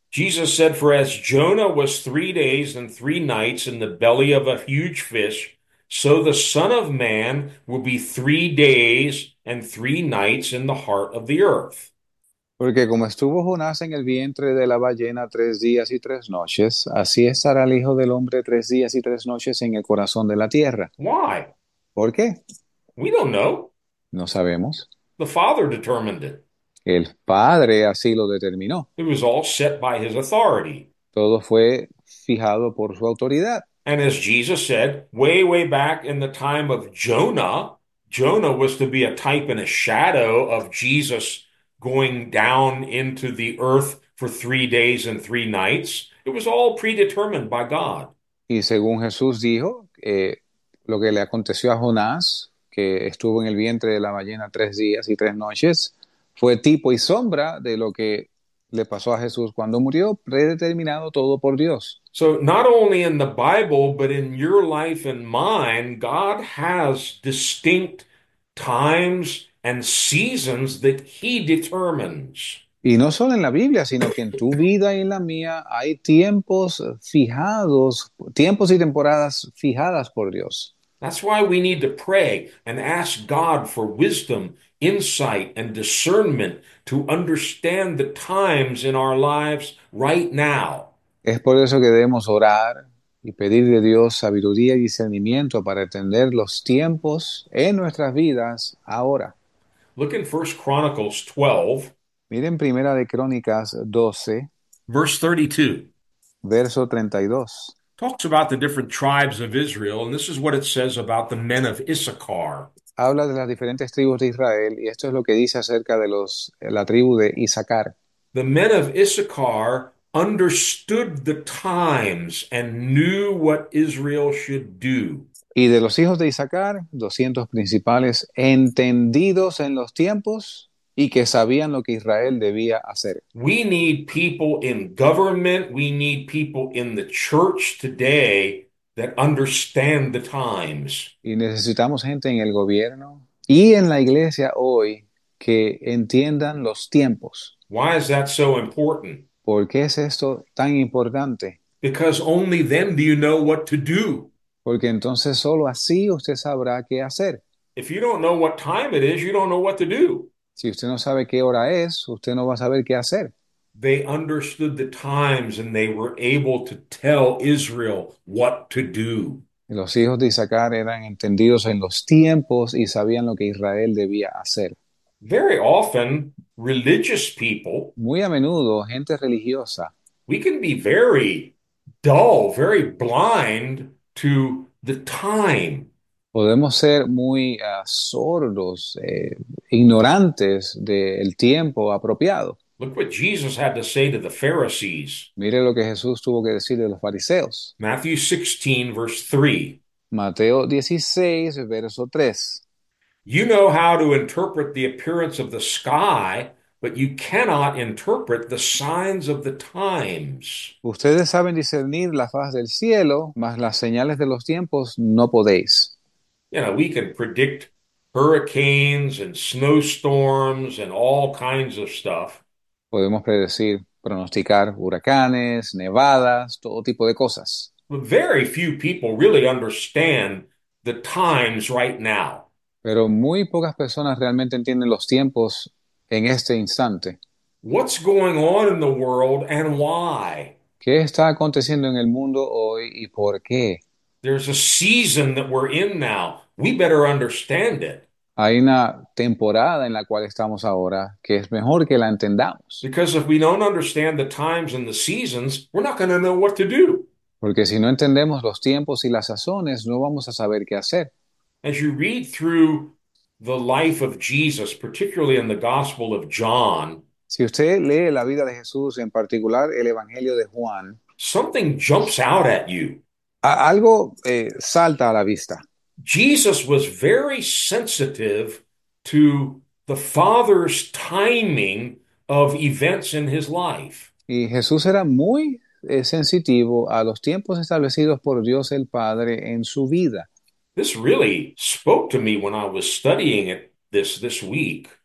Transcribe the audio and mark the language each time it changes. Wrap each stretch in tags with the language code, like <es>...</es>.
<en>Jesus said, "For as Jonah was 3 days and 3 nights in the belly of a huge fish, so the Son of Man will be 3 days and 3 nights in the heart of the earth."</en> <es>Porque como estuvo Jonás en el vientre de la ballena 3 días y 3 noches, así estará el Hijo del Hombre 3 días y 3 noches en el corazón de la tierra.</es> <en>Why?</en> <es>¿Por qué?</es> <en>We don't know.</en> <es>No sabemos.</es> <en>The Father determined it.</en> <es>El Padre así lo determinó.</es> <en>It was all set by his authority.</en> <es>Todo fue fijado por su autoridad.</es> <en>And as Jesus said, way, way back in the time of Jonah, Jonah was to be a type and a shadow of Jesus going down into the earth for 3 days and 3 nights. It was all predetermined by God.</en> <es>Y según Jesús dijo, lo que le aconteció a Jonás, que estuvo en el vientre de la ballena 3 días y 3 noches, fue tipo y sombra de lo que le pasó a Jesús cuando murió, predeterminado todo por Dios.</es> <en>So not only in the Bible, but in your life and mine, God has distinct times and seasons that He determines.</en> <es>Y no solo en la Biblia, sino que en tu vida y en la mía hay tiempos fijados, tiempos y temporadas fijadas por Dios.</es> <en>That's why we need to pray and ask God for wisdom, insight, and discernment to understand the times in our lives right now.</en> <es>Es por eso que debemos orar y pedirle a Dios sabiduría y discernimiento para entender los tiempos en nuestras vidas ahora.</es> <en>Look in 1 Chronicles 12,</en> <es>Miren Primera de Crónicas 12,</es> <en>verse 32.</en> <es>verso 32.</es> <en>Talks about the different tribes of Israel, and this is what it says about the men of Issachar.</en> <es>Habla de las diferentes tribus de Israel y esto es lo que dice acerca de la tribu de Isaacar.</es> <en>The men of Issachar understood the times and knew what Israel should do.</en> <es>Y de los hijos de Isaacar, 200 principales entendidos en los tiempos, y que sabían lo que Israel debía hacer.</es> <en>We need people in government, we need people in the church today that understand the times.</en> <es>Y necesitamos gente en el gobierno y en la iglesia hoy que entiendan los tiempos.</es> <en>Why is that so important?</en> <es>¿Por qué es esto tan importante?</es> <en>Because only then do you know what to do.</en> <es>Porque entonces solo así usted sabrá qué hacer.</es> <en>If you don't know what time it is, you don't know what to do.</en> <es>Si usted no sabe qué hora es, usted no va a saber qué hacer.</es> <en>They understood the times and they were able to tell Israel what to do.</en> <es>Los hijos de Isaacar eran entendidos en los tiempos y sabían lo que Israel debía hacer.</es> <en>Very often, religious people,</en> <es>Muy a menudo, gente religiosa.</es> <en>we can be very dull, very blind to the time.</en> <es>Podemos ser muy sordos, ignorantes del tiempo apropiado.</es> <en>Look what Jesus had to say to the Pharisees.</en> <es>Mire lo que Jesús tuvo que decirle a los fariseos.</es> <en>Matthew 16, verse 3.</en> <es>Mateo 16, verso 3.</es> <en>You know how to interpret the appearance of the sky, but you cannot interpret the signs of the times.</en> <es>Ustedes saben discernir la faz del cielo, mas las señales de los tiempos no podéis.</es> <en>We can predict hurricanes and snowstorms and all kinds of stuff.</en> <es>Podemos predecir, pronosticar huracanes, nevadas, todo tipo de cosas.</es> <en>Very few people really understand the times right now.</en> <es>Pero muy pocas personas realmente entienden los tiempos en este instante.</es> <en>What's going on in the world and why?</en> <es>¿Qué está aconteciendo en el mundo hoy y por qué?</es> <en>There's a season that we're in now. We better understand it.</en> <es>Hay una temporada en la cual estamos ahora que es mejor que la entendamos.</es> <en>Because if we don't understand the times and the seasons, we're not going to know what to do.</en> <es>Porque si no entendemos los tiempos y las sazones, no vamos a saber qué hacer.</es> <en>As you read through the life of Jesus, particularly in the Gospel of John,</en> <es>Si usted lee la vida de Jesús, en particular el Evangelio de Juan,</es> <en>something jumps out at you.</en> <es>algo salta a la vista.</es> <en>Jesus was very sensitive to the Father's timing of events in his life.</en> <es>Y Jesús era muy sensitivo a los tiempos establecidos por Dios el Padre en su vida.</es> <en>This really spoke to me when I was studying it this week.</en>